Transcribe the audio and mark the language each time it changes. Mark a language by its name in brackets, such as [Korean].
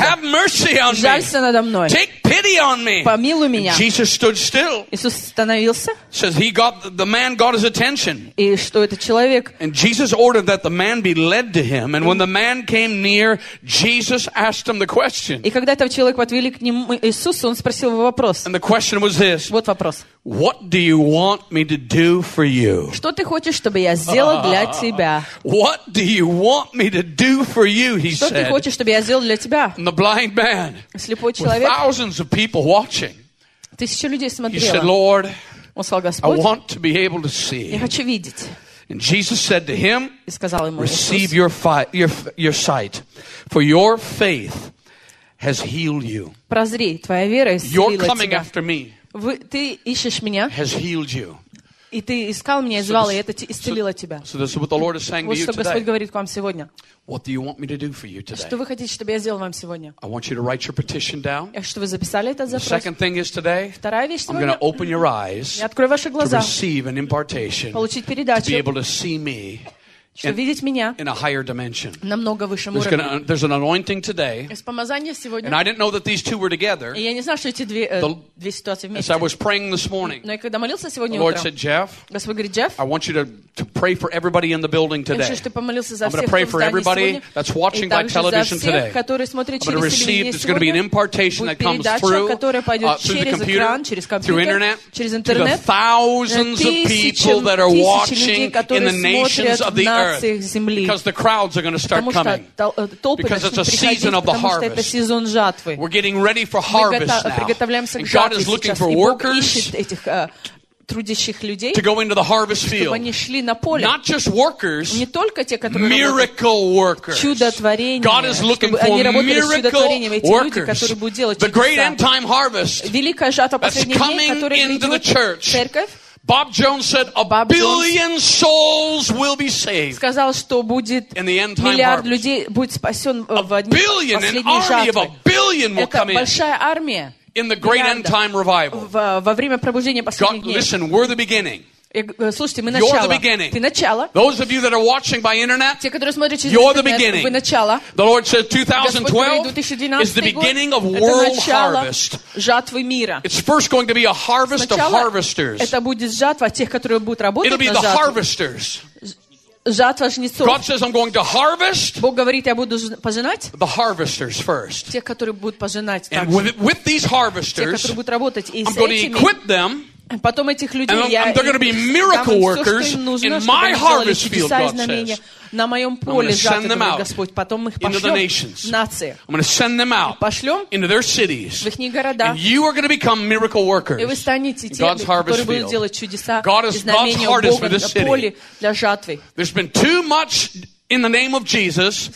[English] Have mercy on [Russian] Жалься [English] me. [Russian] Надо мной. [English] Take pity on me. [Russian] Помилуй меня. [English] And Jesus stood still. [Russian] Иисус остановился. [English] Says he got, the man got his attention. [Russian] И что этот человек? [English] And Jesus ordered that the man be led to him. And when the man came near, Jesus asked him the question. [Russian] И когда этого человека подвели к нему Иисусу, он спросил его вопрос. [English] And the question was this. [Russian] Вот вопрос. [English] What do you want me to do for you? [Russian] Что ты хочешь, чтобы я сделал для тебя? [English] What do you want me to do for you? He [Russian] что [English] said. [Russian] Что ты хочешь, чтобы я сделал для тебя? [English] And the blind man. [Russian] Слепой человек. [English] With thousands of people watching. [Russian] Тысячи людей смотрели. [English] He said, Lord. [Russian] Он сказал, Господь, [English] I want to be able to see. [Russian] Я хочу видеть. [English] And Jesus said to him, [Russian] и сказал ему, [English] receive your sight, for your faith has healed you. [Russian] Прозри, твоя вера исцелила [English] You're coming [Russian] тебя. [English] After me. [Russian] Вы, ты ищешь меня. [English] Has healed you. [Russian] И ты искал меня, и звал, и это исцелило тебя. [English] So this is what the Lord is saying [Russian] вот [English] to you [Russian] что Господь [English] today. [Russian] Говорит к вам сегодня. [English] What do you want me to do for you today? [Russian] Что вы хотите, чтобы я сделал вам сегодня? [English] I want you to write your petition down. [Russian] Я что вы записали этот запрос? [English] The second thing is today. [Russian] Вторая вещь сегодня. [English] I'm going to open your eyes. [Russian] Я открою ваши глаза. [English] To receive an impartation. [Russian] Получить передачу. [English] To be able to see me. [Russian] Чтобы видеть меня. [English] In a higher dimension. [Russian] Намного выше. [English] There's an anointing today. [Russian] Есть помазание сегодня. [English] And I didn't know that these two were together. [Russian] И я не знал, что эти две ситуации вместе. [English] As I was praying this morning. [Russian] Но когда молился сегодня утром. [English] The Lord said, Jeff. [Russian] Господь говорит, Jeff. [English] I want you to pray for everybody in the building today. [Russian] Я хочу, чтобы ты помолился за всех. [English] I'm going to pray for everybody that's watching by television today. [Russian] И также за всех, которые смотрят через телевизор. [English] There's going to be an impartation that comes through. [Russian] Будет передача, которая пойдет через экран, через компьютер, [English] through internet, [Russian] через интернет. [English] To the thousands of people that are watching in the nations of the earth. Because the crowds are going to start coming. Because it's a season of the harvest. We're getting ready for harvest now. And God is looking for workers. [Russian] Трудящих людей, [English] to go into the harvest field. [Russian] Чтобы они шли на поле. [English] Not just workers, [Russian] не только те, которые [English] miracle workers. [Russian] Чудотворение. [English] God is looking [Russian] чтобы [English] for miracle workers. [Russian] Эти люди, которые будут делать [English] the great end time harvest [Russian] великая жатва последних дней, которая [English] into the church. [Russian] Церковь. [English] Bob Jones said a Bob billion Jones souls will be saved. [Russian] Сказал, что будет миллиард людей будет спасен в одни последние жатвы. Это большая армия. [English] In the great end time revival. [Russian] Во время пробуждения последних дней. [English] Listen, we're the beginning. [Russian] Слушайте, мы начало. Ты начало. [English] Those of you that are watching by internet, [Russian] те, которые смотрят через интернет, вы начало. [English] The Lord said 2012 is the beginning of world harvest. [Russian] Жатвы мира. [English] It's first going to be a harvest of harvesters. [Russian] Это будет жатва тех, которые будут работать на жатву. [English] It'll be the harvesters. [Russian] Жатва жнецов. [English] God says I'm going to harvest. [Russian] Бог говорит, я буду пожинать. [English] The harvesters first. [Russian] Те, которые будут пожинать. [English] And with these harvesters, [Russian] те, которые будут работать, и с этими. [English] I'm going to equip them. [Russian] Потом этих людей [English] and [Russian] я. [English] And they're going to be miracle workers in my harvest field, God says. [Russian] На моем поле жатвы, Господь. Потом мы их пошлем в нации. [English] I'm going to send them out into their cities. [Russian] В их города. [English] And you are going to become miracle workers. [Russian] И вы станете теми, которые будут делать чудеса и знамения в Божьем поле для жатвы. [English] There's been too much in the name of Jesus